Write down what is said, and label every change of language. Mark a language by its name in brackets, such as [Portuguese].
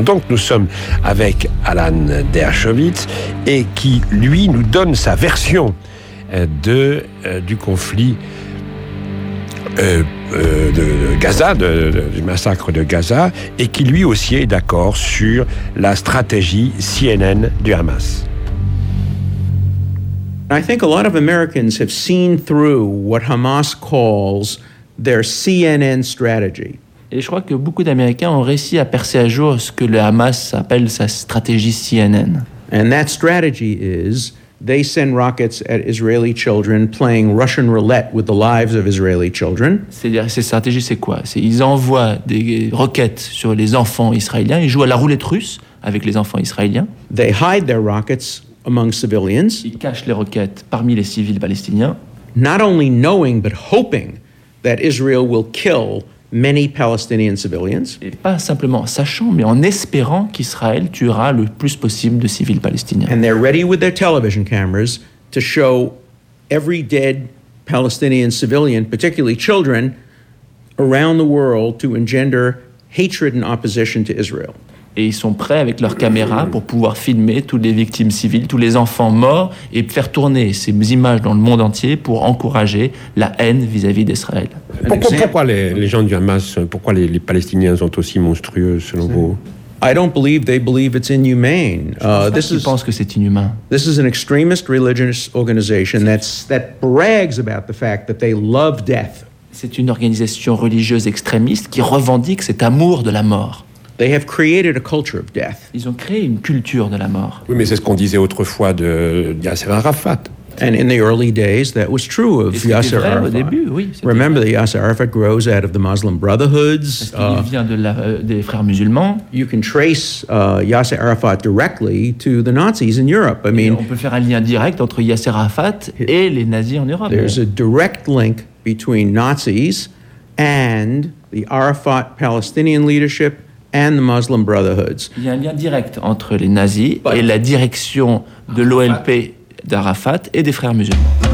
[French] Donc nous sommes avec Alan Dershowitz et qui, lui, nous donne sa version du conflit de Gaza, du massacre de Gaza, et qui lui aussi est d'accord sur la stratégie CNN du Hamas. [English] I think a lot of Americans have seen through what Hamas calls their CNN strategy. [French] Et je crois que beaucoup d'Américains ont réussi à percer à jour ce que le Hamas appelle sa stratégie CNN. [English] And that strategy is they send rockets at Israeli children playing Russian roulette with the lives of Israeli children. [French] C'est-à-dire, cette stratégie, c'est quoi? C'est ils envoient des roquettes sur les enfants israéliens, ils jouent à la roulette russe avec les enfants israéliens. [English] They hide their rockets among civilians. [French] Ils cachent les roquettes parmi les civils palestiniens. [English] Not only knowing but hoping that Israel will kill many Palestinian civilians. [French] Et pas simplement sachant, mais en espérant qu'Israël tuera le plus possible de civils palestiniens. [English] And they're ready with their television cameras to show every dead Palestinian civilian, particularly children, around the world to engender hatred and opposition to Israel. [French] et ils sont prêts avec leurs caméras pour pouvoir filmer toutes les victimes civiles, tous les enfants morts et faire tourner ces images dans le monde entier pour encourager la haine vis-à-vis d'Israël. Pourquoi les gens du Hamas, pourquoi les Palestiniens sont aussi monstrueux selon vous? [English] I don't believe they believe it's inhumane. [French] Je pense que c'est inhumain. [English] This is an extremist religious organization that brags about the fact that they love death. [French] C'est une organisation religieuse extrémiste qui revendique cet amour de la mort. [English] They have created a culture of death. [French] Ils ont créé une culture de la mort. Oui, mais c'est ce qu'on disait autrefois de Yasser Arafat. [English] And in the early days, that was true of Yasser Arafat. [French] Au début, oui. [English] Remember that Yasser Arafat grows out of the Muslim Brotherhoods. [French] Il vient des frères musulmans. [English] You can trace Yasser Arafat directly to the Nazis in Europe. [French] On peut faire un lien direct entre Yasser Arafat et les nazis en Europe. [English] There's a direct link between Nazis and the Arafat Palestinian leadership and the Muslim Brotherhoods. [French] Il y a un lien direct entre les nazis et la direction de l'OLP d'Arafat et des frères musulmans.